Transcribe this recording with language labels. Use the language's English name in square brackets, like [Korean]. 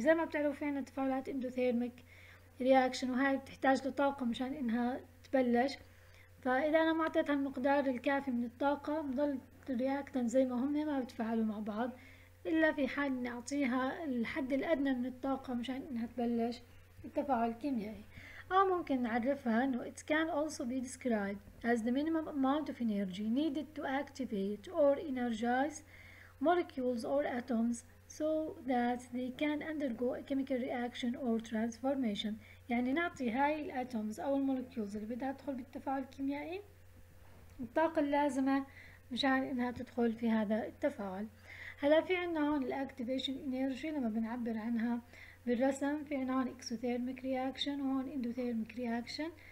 [Arabic] زي ما بتعرفوا في عنا تفاعلات اندوثيرميك رياكشن وهاي بتحتاج لطاقة مشان انها تبلش، فاذا انا ما اعطيتها المقدار الكافي من الطاقة بضل الرياكتن زي ما هم ما بتفاعلوا مع بعض، الا في حال اني اعطيها الحد الادنى من الطاقة مشان انها تبلش التفاعل الكيميائي. او ممكن نعرفها انه [English] it can also be described as the minimum amount of energy needed to activate or energize molecules or atoms so that they can undergo a chemical reaction or transformation. [Arabic] يعني نعطي هاي الاتومز او المولكيولز اللي بدها تدخل بالتفاعل الكيميائي الطاقه اللازمه مشان انها تدخل في هذا التفاعل. هلا في عندنا هون الاكتيفيشن انرجي لما بنعبر عنها بالرسم، في عندنا هون اكسوثيرميك رياكشن وهون اندوثيرميك رياكشن.